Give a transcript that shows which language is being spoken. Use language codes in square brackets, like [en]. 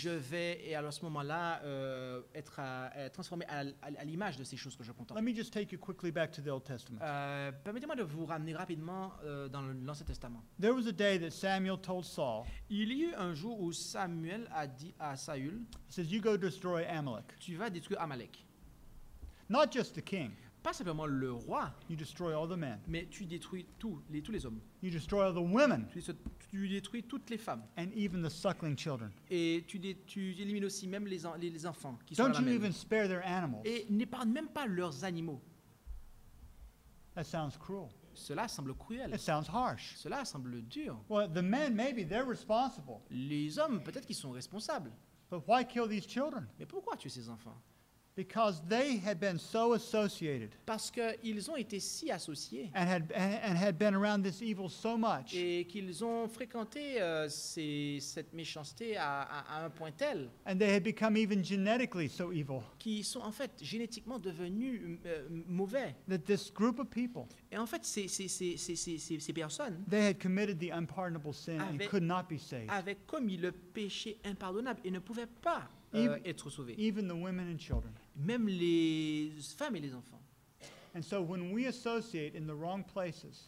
[fr] Je vais et à ce moment-là être transformé à l'image de ces choses que je contemple. [en] Let me just take you quickly back to the Old Testament. [fr] Permettez-moi de vous ramener rapidement dans l'Ancien Testament. [en] There was a day that Samuel told Saul. [fr] Il y eut un jour où Samuel a dit à Saül. [en] Says you go destroy Amalek. [fr] Tu vas détruire Amalek. [en] Not just the king. [fr] Pas simplement le roi. [en] You destroy all the men. [fr] Mais tu détruis tous les hommes. [en] You destroy all the women. [fr] Tu détruis toutes les femmes. [en] And even the suckling children. [fr] Et tu élimines aussi même les enfants qui [en] Don't [fr] sont à la [en] même. Don't you even spare their animals? [fr] Et n'épargne même pas leurs animaux. [en] That sounds cruel. [fr] Cela semble cruel. [en] It sounds harsh. [fr] Cela semble dur. [en] Well, the men maybe they're responsible. [fr] Les hommes peut-être qu'ils sont responsables. [en] But why kill these children? [fr] Mais pourquoi tuer ces enfants? [en] Because they had been so associated, [fr] parce qu'ils ont été si associés, [en] and had been around this evil so much, [fr] et qu'ils ont fréquenté cette méchanceté à un point tel, [en] and they had become even genetically so evil, [fr] qui sont en fait génétiquement devenus mauvais, [en] that this group of people, [fr] et en fait ces personnes, [en] they had committed the unpardonable sin and could not be saved, [fr] avaient commis le péché impardonnable et ne pouvaient pas. Être sauvé. [en] Even the women and children. [fr] Même les femmes et les enfants. [en] And so when we associate in the wrong places,